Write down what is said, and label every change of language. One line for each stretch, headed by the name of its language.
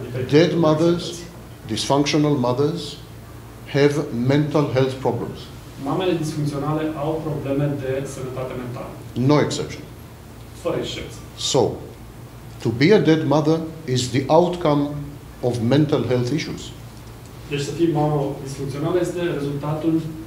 English: Dead mothers, dysfunctional mothers, have mental health problems.
Romanian: Mamele disfuncționale au probleme de sănătate mentală.
English: No exception.
Romanian: Fără excepție.
English: So, to be a dead mother is the outcome of mental health issues.
Romanian: Deci să fii mamă disfuncțională este rezultatul